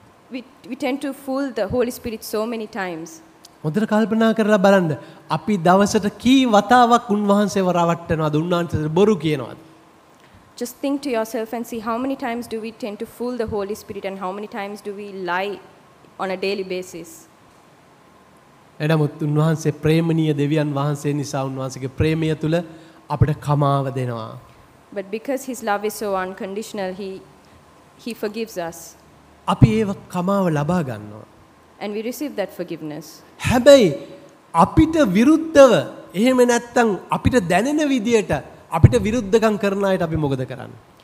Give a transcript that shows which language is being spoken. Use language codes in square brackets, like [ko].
[en] We tend to fool the Holy Spirit so many times. [si] හොඳට කල්පනා කරලා බලන්න අපි දවසට කී වතාවක් උන්වහන්සේව රවට්ටනවාද උන්වහන්සේට බොරු කියනවාද? [en] Just think to yourself and see how many times do we tend to fool the Holy Spirit and how many times do we lie on a daily basis. [si] එනමුත් උන්වහන්සේ ප්‍රේමණීය දෙවියන් වහන්සේ නිසා උන්වහන්සේගේ ප්‍රේමය තුල අපට කමාව දෙනවා. [en] But because his love is so unconditional, he forgives us. [si] අපි ඒව කමාව ලබා ගන්නවා. [en] And we receive that forgiveness. [si] හැබැයි අපිට විරුද්ධව එහෙම නැත්තම් අපිට දැනෙන විදියට අපිට විරුද්ධකම් කරන අයට අපි මොකද කරන්නේ?